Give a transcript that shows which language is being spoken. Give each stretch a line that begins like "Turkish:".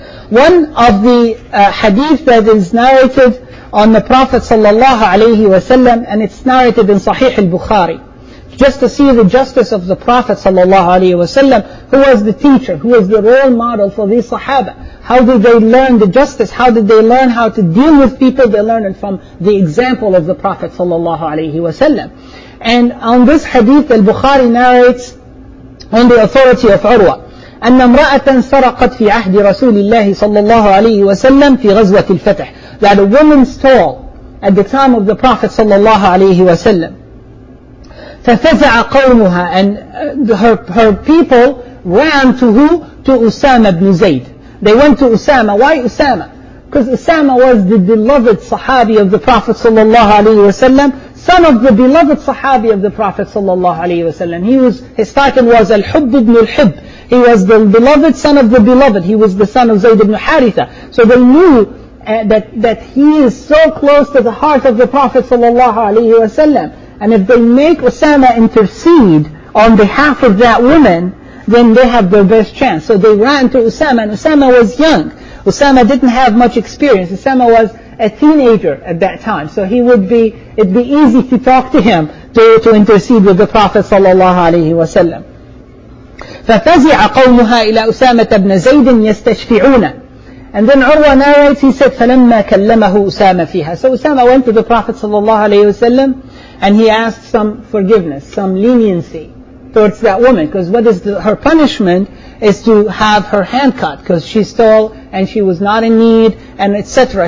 English: One of the hadith that is narrated on the Prophet sallallahu alayhi wa sallam, and it's narrated in Sahih al-Bukhari, just to see the justice of the Prophet sallallahu alayhi wa sallam, who was the teacher, who was the role model for these sahaba. How did they learn the justice? How did they learn how to deal with people? They learned from the example of the Prophet sallallahu alayhi wa sallam. And on this hadith, al-Bukhari narrates on the authority of Urwa,
Arabic: أن امرأة سرقت في عهد رسول الله صلى الله عليه وسلم في غزوة الفتح.
English: That a woman stole at the time of the Prophet صلى الله عليه وسلم.
Arabic: ففزع قومها,
English: and her people ran to who? To أسامة بن زيد. They went to أسامة. Why أسامة? Because أسامة was the beloved Sahabi of the Prophet صلى الله عليه وسلم. Son of the beloved Sahabi of the Prophet صلى الله عليه وسلم. His title was
Arabic: الحب بن الحب.
English: He was the beloved son of the beloved. He was the son of Zayd ibn Haritha. So they knew that he is so close to the heart of the Prophet sallallahu alaihi wasallam. And if they make Usama intercede on behalf of that woman, then they have their best chance. So they ran to Usama, and Usama was young. Usama didn't have much experience. Usama was a teenager at that time. So it'd be easy to talk to him to intercede with the Prophet sallallahu alaihi wasallam.
Arabic: ففزع قومها إلى أسامة بن زيد يستشفعون.
English: And then Urwa narrates, he said,
Arabic: فلما كلمه أسامة فيها.
English: So Usama went to the Prophet صلى الله عليه وسلم and he asked some forgiveness, some leniency towards that woman. Because what is her punishment is to have her hand cut because she stole and she was not in need and etc.